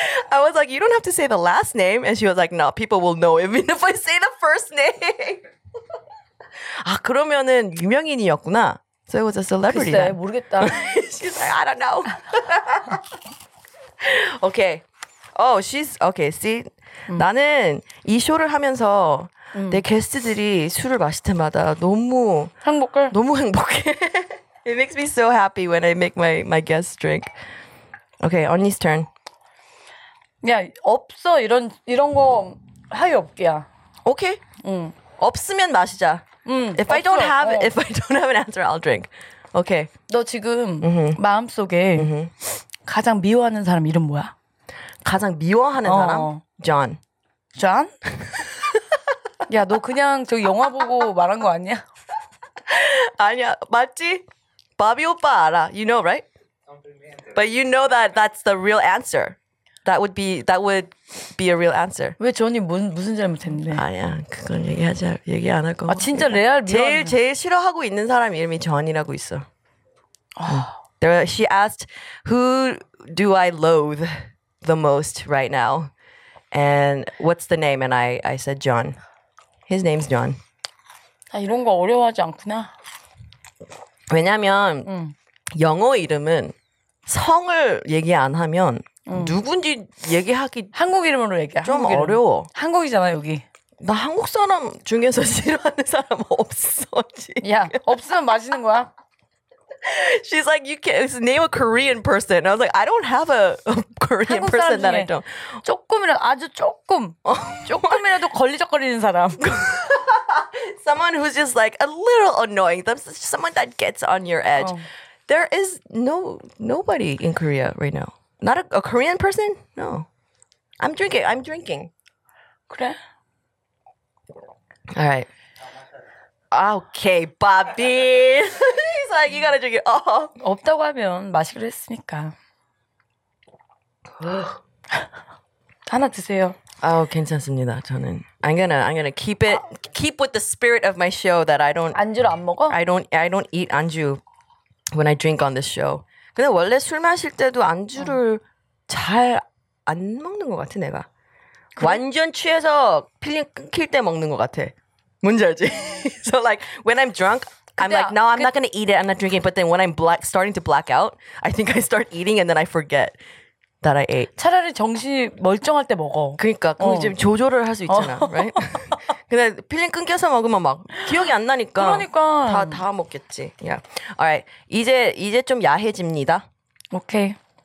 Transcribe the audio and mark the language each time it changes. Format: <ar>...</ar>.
<en>I was like, you don't have to say the last name. And she was like, no, people will know even if I say the first name.</en> <ko>아, 그러면은 유명인이었구나.</ko> <en>So it was a celebrity.</en> <ko>글쎄, 모르겠다.</ko> <en>She's like, I don't know. Okay. Oh, she's okay.</en> <ko>See, 나는 이 쇼를 하면서 내 게스트들이 술을 마실 때마다 너무 행복해. 너무 행복해.</ko> <en>It makes me so happy when I make my guests drink. Okay, 언니's turn.</en> <ko>야, 없어 이런 거 하이 없기야.</ko> <en>Okay.</en> <ko>없으면 마시자. If 없어.</ko> <en>If I don't have an answer, I'll drink. Okay.</en> <ko>너 지금 마음 속에 가장 미워하는 사람 이름 뭐야? 가장 미워하는 사람? John. John? 야, 너 그냥 저 영화 보고 말한 거 아니야? 아니야, 맞지? 바비 오빠 알아.</ko> <en>You know, right? But you know that's the real answer. That would be a real answer.</en> <ko>왜 존이 무슨 잘못했는데? 아니야, 그건 얘기 안 할 거. 아, 진짜 레알 미워하는. 제일 싫어하고 있는 사람 이름이 존이라고 있어.</ko> <en>She asked, who do I loathe the most right now? And what's the name? And I said John. His name's John.</en> <ko>아, 이런 거 어려워하지 않구나. 왜냐면 영어 이름은 성을 얘기 안 하면 누군지 얘기하기 한국 이름으로 얘기해. 좀 한국 어려워. 이름. 한국이잖아, 여기. 나 한국 사람 중에서 싫어하는 사람 없어, 지금. 야, 없으면 마시는 거야.</ko> <en>She's like, you can't name a Korean person. I was like, I don't have a Korean person that I don't.</en> <ko>조금이라도, 아주 조금. 조금이라도 걸리적거리는 사람.</ko> <en>Someone who's just like a little annoying. Someone that gets on your edge. There is nobody in Korea right now. Not a Korean person? No. I'm drinking.</en> <ko>그래?</ko> <en>All right. Okay, Bobby. He's like, you gotta drink it all.</en> <ko>없다고 하면 마시기로 했으니까. 하나 드세요.</ko> <en>Oh,</en> <ko>괜찮습니다. 저는</ko> <en>I'm gonna keep it. Keep with the spirit of my show that I don't.</en> <ko>안주를 안 먹어?</ko> <en>I don't eat 안주 when I drink on this show.</en> <ko>근데 원래 술 마실 때도 안주를 잘 안 먹는 것 같아 내가. 완전 취해서 필링 끊길 때 먹는 것 같아. 뭔지 알지?</ko> <en>So like when I'm drunk, I'm like, no, I'm not gonna eat it. I'm not drinking. But then when I'm starting to black out, I think I start eating and then I forget that I ate.</en> <ko>차라리 정신이 멀쩡할 때 먹어. 그러니까 그 이제 조절을 할 수 있잖아,</ko> <en>right?</en> <ko>근데 필링 끊겨서 먹으면 막 기억이 안 나니까. 그러니까 다 먹겠지.</ko> <en>Yeah. All right.</en> <ko>이제 좀 야해집니다. 오케이.</ko> <en>Okay.</en>